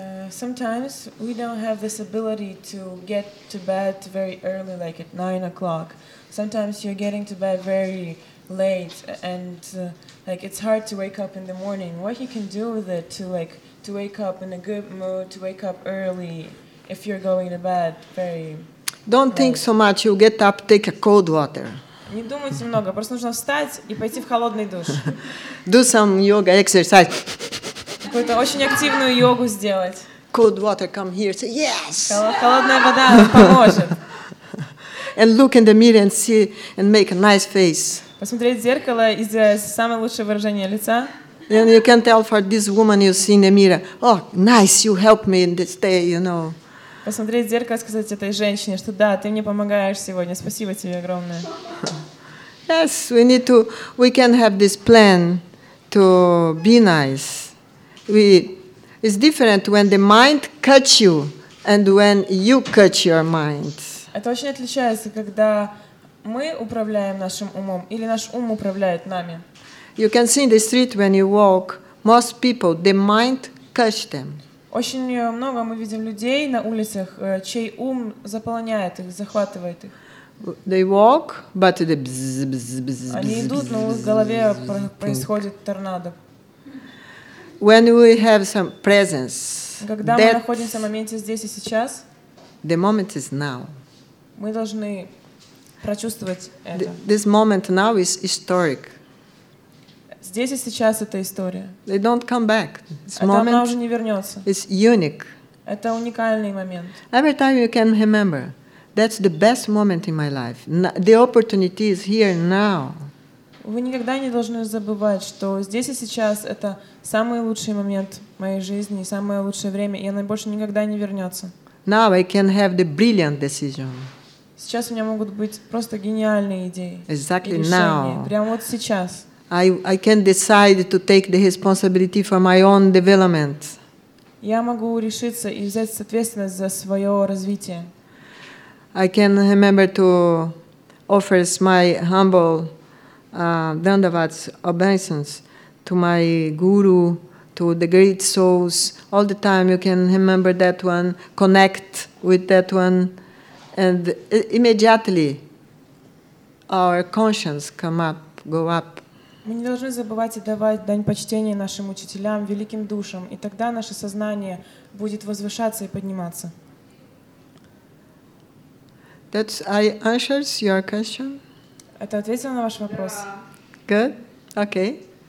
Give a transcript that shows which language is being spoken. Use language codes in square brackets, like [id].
[en] Sometimes we don't have this ability to get to bed very early, like at 9 o'clock. Sometimes you're getting to bed very late, and like it's hard to wake up in the morning. What you can do with it to wake up in a good mood, to wake up early, if you're going to bed very. Don't late. Think so much. You get up, take a cold water. [ru] Не думайте много. Просто нужно встать и пойти в холодный душ. [en] Do some yoga exercise. [ru] Какую-то очень активную йогу сделать. [en] Cold water come here. Say yes. [ru] Холодная вода поможет. [en] And look in the mirror and see and make a nice face. [ru] Посмотреть в зеркало и сделать самое лучшее выражение лица. [en] And you can tell for this woman you see in the mirror. Oh, nice, you help me in this day, you know. [ru] Посмотреть в зеркало и сказать этой женщине, что да, ты мне помогаешь сегодня. Спасибо тебе огромное. [en] Yes, we need to. We can have this plan to be nice. It's different when the mind cuts you and when you cut your mind. [ru] Это очень отличается, когда мы управляем нашим умом или наш ум управляет нами. [en] You can see in the street when you walk, most people, the mind cuts them. [ru] Очень много мы видим людей на улицах, чей ум заполняет их, захватывает их. [en] They walk, but the [ru] они идут, но в голове происходит торнадо. [en] When we have some presence, [ru] когда мы находимся в моменте здесь и сейчас, [en] the moment is now. [ru] Мы должны прочувствовать это. [en] This moment now is historic. [ru] Здесь и сейчас это история. [en] They don't come back. This [ru] moment, она уже не вернется. [en] It's unique. [ru] Это уникальный момент. [en] Every time you can remember, that's the best moment in my life. The opportunity is here now. [ru] Вы никогда не должны забывать, что здесь и сейчас это самый лучший момент моей жизни, самое лучшее время, и оно больше никогда не вернется. [en] Now I can have the brilliant decision. [ru] Сейчас у меня могут быть просто гениальные идеи. [en] Exactly [ru] и решения, [en] now. [ru] Прямо вот сейчас. [en] I can decide to take the responsibility for my own development. [ru] Я могу решиться и взять ответственность за свое развитие. [en] I can remember to offer my humble dandavats, obeisance to my guru, to the great souls. All the time you can remember that one, connect with that one, and immediately our conscience come up, go up. [ru] Мы не должны забывать и давать дань почтения нашим учителям, великим душам, и тогда наше сознание будет возвышаться и подниматься. [en] That I answers your question? [ru] Это ответило на ваш вопрос? [en] Yeah. Good? Okay.